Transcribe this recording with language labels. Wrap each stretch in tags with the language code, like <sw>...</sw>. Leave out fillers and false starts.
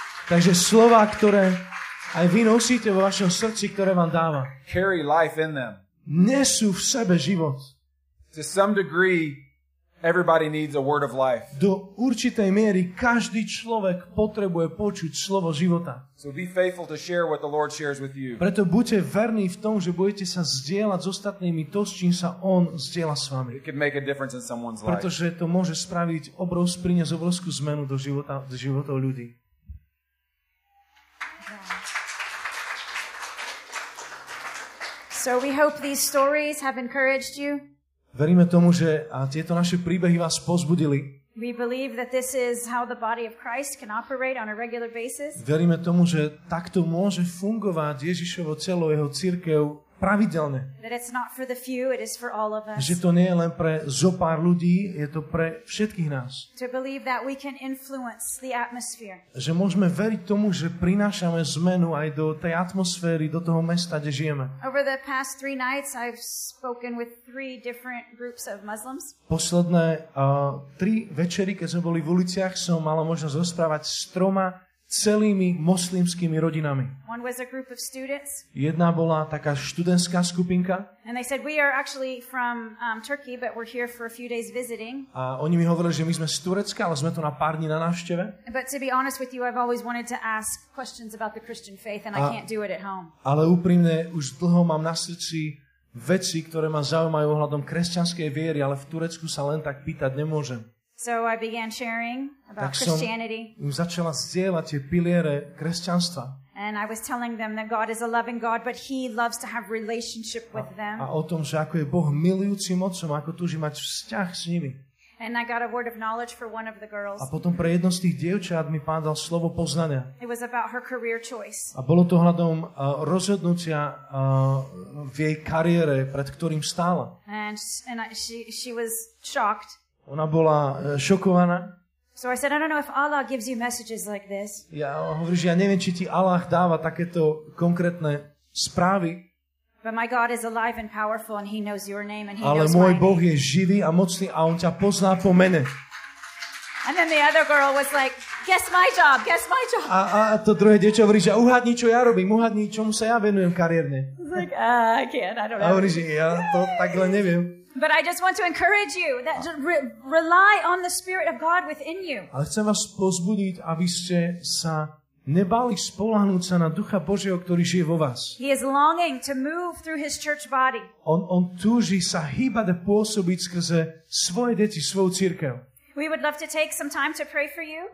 <sk>Takže slova, ktoré aj vy nosíte vo vašom srdci, ktoré vám dáva.</sk> <en>Carry life in them.</en> <sk>Nesú v sebe život.</sk> <en>To some degree, everybody needs a word of life.</en> <sk>Do určitej miery každý človek potrebuje počuť slovo života.</sk> <en>So be faithful to share what the Lord shares with you.</en> <sk>Preto buďte verní v tom, že budete sa zdieľať s ostatnými to, s čím sa on zdieľa s vami.</sk> <en>It can make a difference in someone's life.</en> <sk>Pretože to môže spraviť obrovskú zmenu do života ľudí.</sk> <en>So we hope these stories have encouraged you.</en> <sk>Veríme tomu, že tieto naše príbehy vás pozbudili.</sk> <en>We believe that this is how the body of Christ can operate on a regular basis.</en> <sk>Veríme tomu, že takto môže fungovať Ježišovo telo, jeho cirkev pravidelne.</sk> <en>That it's not for the few, it is for all of us.</en> <sk>Že to nie je len pre zopár ľudí, je to pre všetkých nás.</sk> <en>To believe that we can influence the atmosphere.</en> <sk>Že môžeme veriť tomu, že prinášame zmenu aj do tej atmosféry, do toho mesta, kde žijeme.</sk> <en>Over the past three nights I've spoken with three different groups of Muslims.</en> <sk>Posledné tri večery, keď sme boli v uliciach, som mala možnosť rozprávať s troma celými moslimskými rodinami.</sk> <en>One was a group of students.</en> <sk>Jedna bola taká študentská skupinka.</sk> <en>And they said, "We are actually from Turkey, but we're here for a few days visiting."</en> <sk>A oni mi hovorili, že my sme z Turecka, ale sme tu na pár dní na návšteve.</sk> <en>But to be honest with you, I've always wanted to ask questions about the Christian faith and I can't do it at home.</en> <sk>Ale úprimne, už dlho mám na srdci veci, ktoré ma zaujímajú ohľadom kresťanskej viery, ale v Turecku sa len tak pýtať nemôžem.</sk> <en>So I began sharing about Christianity.</en> <sk>Tak som začala zdieľať tie piliere kresťanstva.</sk> <en>And I was telling them that God is a loving God, but he loves to have relationship with them.</en> <sk>A o tom, že ako je Boh milujúcim otcom, ako túži mať vzťah s nimi.</sk> <en>And I got a word of knowledge for one of the girls.</en> <sk>A potom pre jedno z tých dievčat mi pán dal slovo poznania.</sk> <en>It was about her career choice.</en> <sk>A bolo to hľadom rozhodnutia v jej kariére, pred ktorým stála.</sk> <en>And she was shocked.</en> <sk>Ona bola šokovaná.</sk> <en>So I said, "I don't know if Allah gives you messages like this."</en> <sk>Ja hovorím, že ja neviem, či ti Allah dáva takéto konkrétne správy.</sk> <en>But my God is alive and powerful and he knows your name and he</en> <sk>Ale</sk> <en>knows</en> <sk>môj</sk> <en>my</en> <sk>Boh</sk> <en>name.</en> <sk>Je živý a mocný a on ťa pozná po mene.</sk> <en>And then the other girl was like, "Guess my job, guess my job."</en> <sk>A to druhé dievča hovorí, že uhadni, čo ja robím, uhadni, čomu sa ja venujem kariérne.</sk> <en>Like, I can't, I don't know.</en> <sk>A hovorí, že ja to takhle neviem.</sk> <en>But I just want to encourage you that rely on the Spirit of God within you.</en> <sk>Ale chcem vás pozbudiť, aby ste sa nebali spoľahnúť sa na Ducha Božieho, ktorý žije vo vás.</sk> <en>He is longing to move through his church body.</en> <sk>On túži sa hýbať a pôsobiť skrze svoje deti, svoju cirkev.</sk> <en>We would love to take some time to pray for you.</en>